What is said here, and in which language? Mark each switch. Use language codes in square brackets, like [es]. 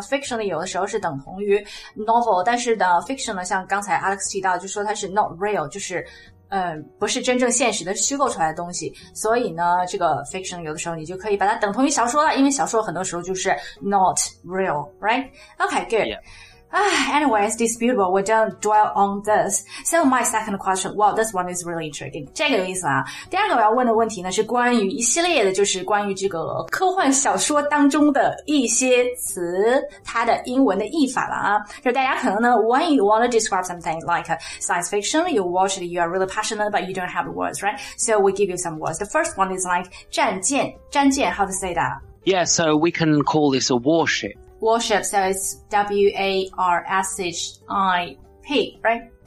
[zh] Fiction 呢，有的时候是等同于 novel， 但是呢 ，fiction 呢，像刚才 Alex 提到，就说它是 [en] not real， [zh] 就是不是真正现实的，是虚构出来的东西。所以呢，这个 fiction 有的时候你就可以把它等同于小说了，因为小说很多时候就是 [en] not real, right? Okay, good.、 Yeah. Anyway, it's disputable. We don't dwell on this. So my second question, well, this one is really intriguing. [zh] 这个意思啊。第二个我要问的问题呢是关于一系列的就是关于这个科幻小说当中的一些词它的英文的译法了啊。就大家可能呢 [en] when you want to describe something like science fiction, you watch it, you are really passionate, but you don't have the words, right? So we give you some words. The first one is like [zh] 战舰 [en] how to say that? Yeah, so we can call this a warship. Warship, so it's W-A-R-S-H-I-P, right?